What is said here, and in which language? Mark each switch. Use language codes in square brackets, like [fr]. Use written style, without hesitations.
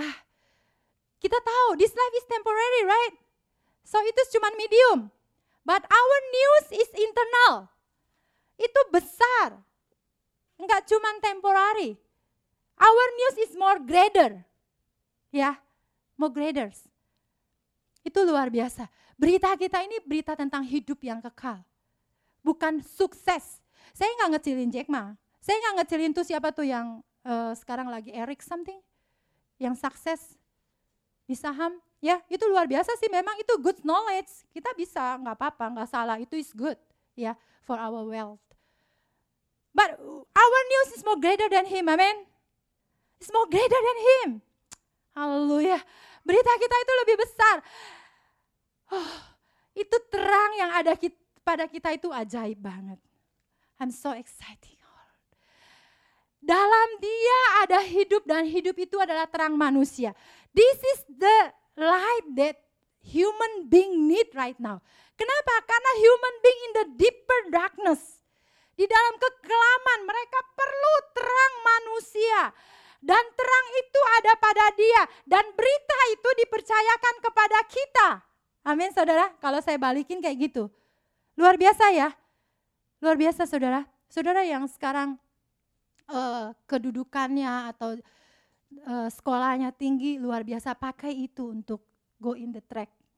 [en] Ah, [id] kita tahu, [en] this life is temporary, right? So [id] itu cuman [en] medium. But our news is internal. [id] Itu besar. Enggak cuman temporary. [en] Our news is more greater. [id] Ya, [en] more greater. [id] Itu luar biasa. Berita kita ini berita tentang hidup yang kekal. Bukan sukses. Saya enggak ngecilin Jack Ma. Saya enggak ngecilin tuh siapa tuh yang sekarang lagi Eric something yang sukses di saham. Ya, itu luar biasa sih. Memang itu good knowledge. Kita bisa, enggak apa-apa, enggak salah. [en] Itu is good, ya, for our wealth. But our news is more greater than him, amen. It's more greater than him. [id] Haleluya. Berita kita itu lebih besar. Oh, itu terang yang ada pada kita itu ajaib banget. [en] I'm so exciting. [id] Dalam dia ada hidup dan hidup itu adalah terang manusia. [en] This is the light that human being need right now. Kenapa? Karena human being in the deeper darkness. [id] Di dalam kekelaman mereka perlu terang manusia. Dan terang itu ada pada dia. Dan berita itu dipercayakan kepada kita. Amin saudara, kalau saya balikin kayak gitu. Luar biasa ya. Luar biasa saudara. Saudara yang sekarang kedudukannya atau sekolahnya tinggi, luar biasa, pakai itu untuk [en] go in the track.